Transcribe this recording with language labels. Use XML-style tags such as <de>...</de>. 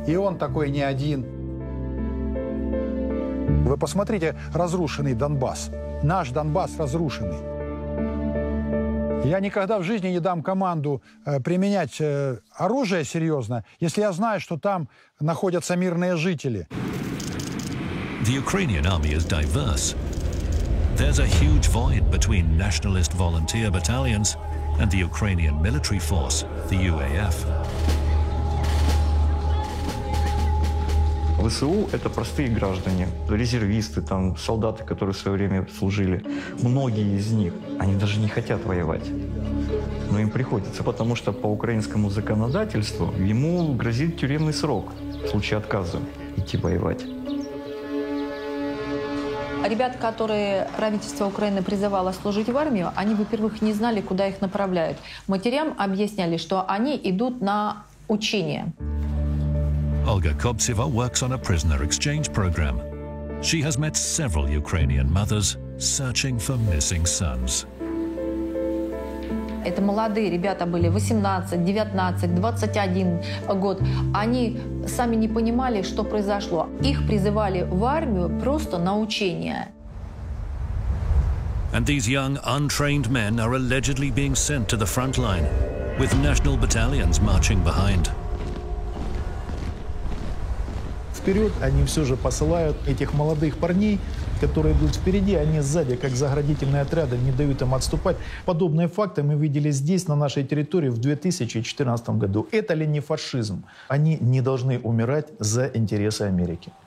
<ru>И он такой не один. Вы посмотрите, разрушенный Донбасс. Наш Донбасс разрушенный. Я никогда в жизни не дам команду применять оружие серьезно, если я знаю, что там находятся мирные жители.</ru> <en>The Ukrainian army is diverse. There's a huge void between nationalist volunteer battalions and the Ukrainian military force, the UAF.</en> <ru>ВСУ – это простые граждане, резервисты, там, солдаты, которые в свое время служили. Многие из них, они даже не хотят воевать, но им приходится, потому что по украинскому законодательству ему грозит тюремный срок в случае отказа идти воевать. Ребят, которые правительство Украины призывало служить в армию, они, во-первых, не знали, куда их направляют. Матерям объясняли, что они идут на учения.</ru> <en>Olga Kobtseva works on a prisoner exchange program. She has met several Ukrainian mothers searching for missing sons.</en> <ru>Это молодые ребята были, 18, 19, 21 год. Они сами не понимали, что произошло. Их призывали в армию просто на учения.</ru> <en>And these young, untrained men are allegedly being sent to the front line, with national battalions marching behind.</en> <ru>Вперед, они все же посылают этих молодых парней, которые идут впереди, они сзади, как заградительные отряды, не дают им отступать. Подобные факты мы видели здесь, на нашей территории, в 2014 году. Это ли не фашизм? Они не должны умирать за интересы Америки.</ru>